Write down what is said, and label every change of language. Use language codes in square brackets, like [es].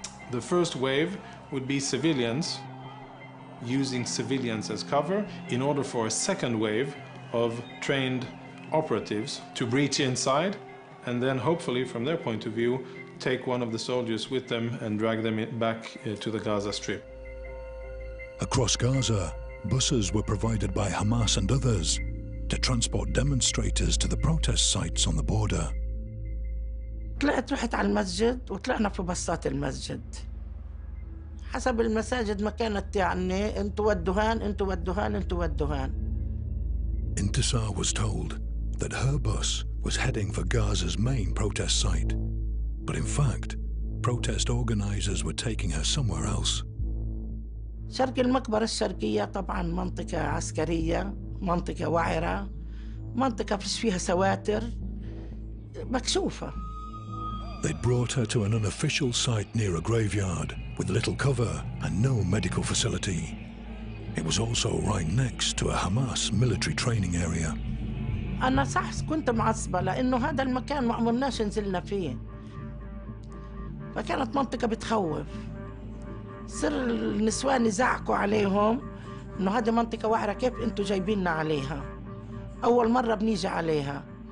[en] The first wave would be civilians using civilians as cover in order for a second wave of trained operatives to breach inside and then hopefully from their point of view take one of the soldiers with them and drag them back to the Gaza Strip. Across Gaza, buses were provided by Hamas and others to transport demonstrators to the protest sites on the border. [ar] طلعت رحت على المسجد وطلعنا في بصات المسجد. حسب المساجد ما كانت يعني انتوا ودوهان انتوا ودوهان انتوا ودوهان. [en] Intisar was told that her bus was heading for Gaza's main protest site. But in fact, protest organizers were taking her somewhere else. [ar] شرق المقبرة الشرقية طبعا منطقة عسكرية منطقة وعرة، منطقة فيها سواتر مكشوفة. [en] They brought her to an unofficial site near a graveyard with little cover and no medical facility. It was also right next to a Hamas military training area. [ar] أنا صح كنت معصبة لأنه هذا المكان ما عمرناش نزلنا فيه، فكانت منطقة بتخوف. صر النسوان يزعقوا عليهم إنه هذه منطقة وعرة، كيف أنتوا جايبيننا عليها؟ أول مرة بنيجي عليها.